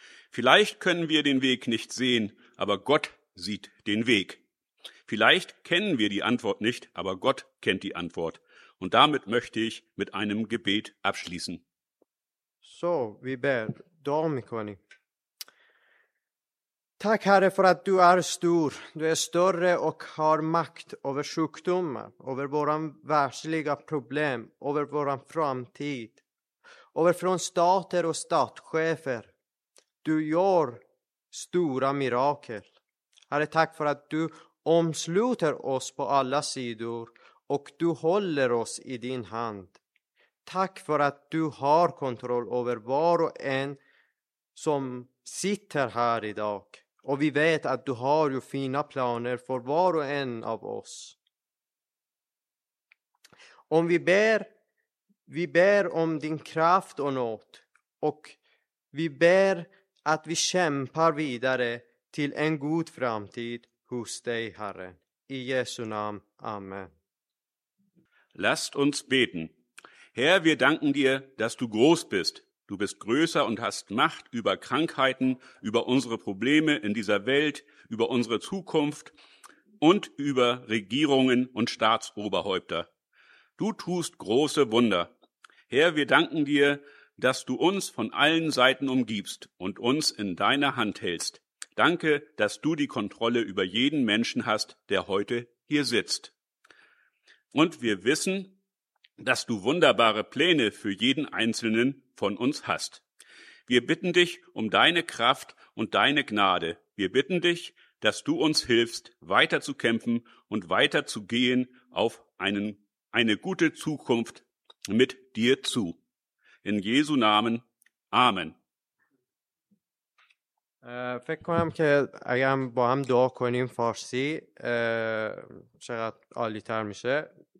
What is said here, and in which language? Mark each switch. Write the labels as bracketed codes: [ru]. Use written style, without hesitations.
[de] Vielleicht können wir den Weg nicht sehen, aber Gott sieht den Weg. Vielleicht kennen wir die Antwort nicht, aber Gott kennt die Antwort. Und damit möchte ich mit einem Gebet abschließen. [sv] So, vi ber. Domikoni. Tack Herre för att du är stor. Du är större och har makt över sjukdomar, över våra världsliga problem, över vår framtid, över från stater och statschefer. Du gör stora mirakel. Herre, tack för att du omsluter oss på alla sidor och du håller oss i din hand. Tack för att du har kontroll över var och en som sitter här idag. Och vi vet att du har ju fina planer för var och en av oss. Om vi ber om din kraft och nåd. Och vi ber att vi kämpar vidare till en god framtid hos dig, Herre. I Jesu namn. Amen. [de] Lasst uns beten. Herr, wir danken dir, dass du groß bist. Du bist größer und hast Macht über Krankheiten, über unsere Probleme in dieser Welt, über unsere Zukunft und über Regierungen und Staatsoberhäupter. Du tust große Wunder. Herr, wir danken dir, dass du uns von allen Seiten umgibst und uns in deiner Hand hältst. Danke, dass du die Kontrolle über jeden Menschen hast, der heute hier sitzt. Und wir wissen, dass du wunderbare Pläne für jeden Einzelnen von uns hast. Wir bitten dich um deine Kraft und deine Gnade. Wir bitten dich, dass du uns hilfst, weiterzukämpfen und weiterzugehen auf eine gute Zukunft mit dir zu. In Jesu Namen. Amen. [fa] فکر کنم که اگر با هم دعا کنیم فارسی چقدر عالی تر میشه.